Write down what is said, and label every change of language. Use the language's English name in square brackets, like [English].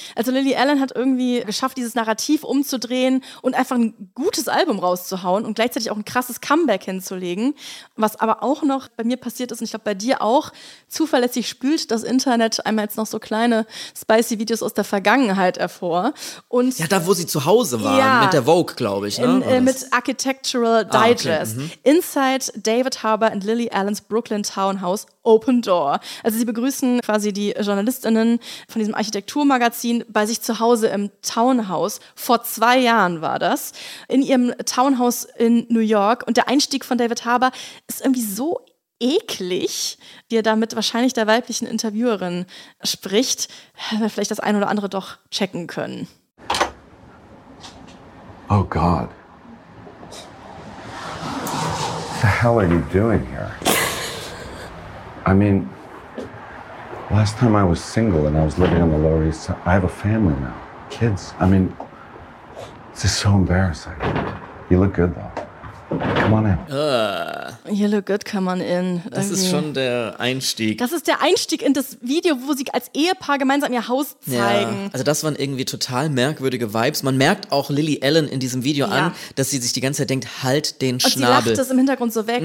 [German] Also Lily Allen hat irgendwie geschafft, dieses Narrativ umzudrehen und einfach ein gutes Album rauszuhauen und gleichzeitig auch ein krasses Comeback hinzulegen. Was aber auch noch bei mir passiert ist und ich glaube bei dir auch, zuverlässig spült das Internet einmal jetzt noch so kleine spicy Videos aus der Vergangenheit hervor. Und ja, da wo sie zu Hause waren, ja, mit der Vogue, glaube ich. Ne? Mit Architekt Architectural Digest. Ah, okay. Mhm. [English] Inside David Harbour and Lily Allen's Brooklyn Townhouse Open Door. [German] Also sie begrüßen quasi die Journalistinnen von diesem Architekturmagazin bei sich zu Hause im Townhouse. Vor 2 Jahren war das. In ihrem Townhouse in New York. Und der Einstieg von David Harbour ist irgendwie so eklig, wie er da mit wahrscheinlich der weiblichen Interviewerin spricht, weil wir vielleicht das ein oder andere doch checken können. [English] Oh God. What the hell are you doing here? I mean, last time I was single and I was living on the Lower East Side, I have a family now, kids. I mean, this is so embarrassing. You look good though. Come on in. You look good, come on in. [German] Das ist schon der Einstieg. Das ist der Einstieg in das Video, wo sie als Ehepaar gemeinsam ihr Haus zeigen. Ja, also das waren irgendwie total merkwürdige Vibes. Man merkt auch Lily Allen in diesem Video an, dass sie sich die ganze Zeit denkt, halt den und Schnabel. Und sie lacht das im Hintergrund so weg.